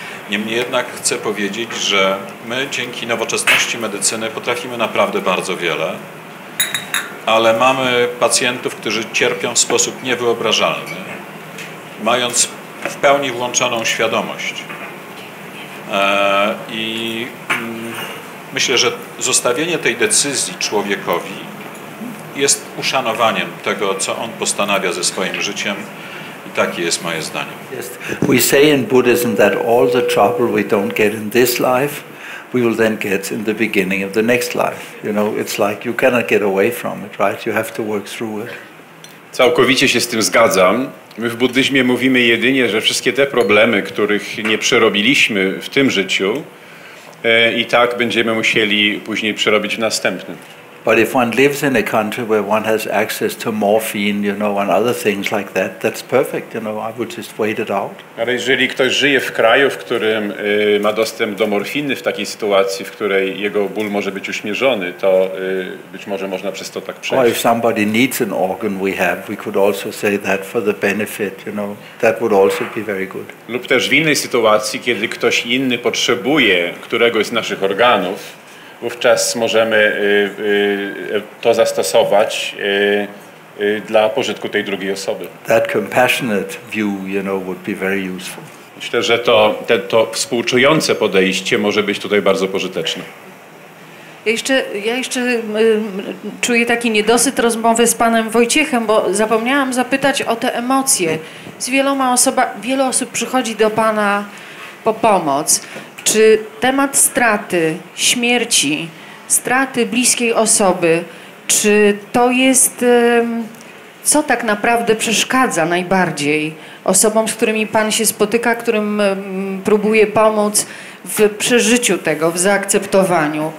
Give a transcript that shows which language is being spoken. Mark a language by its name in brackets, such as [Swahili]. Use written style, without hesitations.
[Polish] Niemniej jednak chcę powiedzieć, że my dzięki nowoczesności medycyny potrafimy naprawdę bardzo wiele, ale mamy pacjentów, którzy cierpią w sposób niewyobrażalny, mając w pełni włączoną świadomość. I myślę, że zostawienie tej decyzji człowiekowi jest uszanowaniem tego, co on postanawia ze swoim życiem. Takie jest moje zdanie. [English] Yes. We say in Buddhism that all the trouble we don't get in this life, we will then get in the beginning of the next life. You know, it's like you cannot get away from it, right? You have to work through it. [Polish] Całkowicie się z tym zgadzam. My w buddyzmie mówimy jedynie, że wszystkie te problemy, których nie przerobiliśmy w tym życiu, i tak będziemy musieli później przerobić w następnym. [English] But if one lives in a country where one has access to morphine, you know, and other things like that, that's perfect, you know, I would just wait it out. [Polish] Ale jeżeli ktoś żyje w kraju, w którym ma dostęp do morfiny w takiej sytuacji, w której jego ból może być uśmierzony, to być może można przez to tak przejść. [English] Or if somebody needs an organ we have, we could also say that for the benefit, you know, that would also be very good. [Polish] Lub też w innej sytuacji, kiedy ktoś inny potrzebuje któregoś z naszych organów, wówczas możemy to zastosować dla pożytku tej drugiej osoby. [English] That compassionate view, you know, would be very useful. [Polish] Myślę, że to współczujące podejście może być tutaj bardzo pożyteczne. Ja jeszcze czuję taki niedosyt rozmowy z panem Wojciechem, bo zapomniałam zapytać o te emocje. Wiele osób przychodzi do pana po pomoc. Czy temat straty, śmierci, straty bliskiej osoby, czy to jest, co tak naprawdę przeszkadza najbardziej osobom, z którymi pan się spotyka, którym próbuje pomóc w przeżyciu tego, w zaakceptowaniu?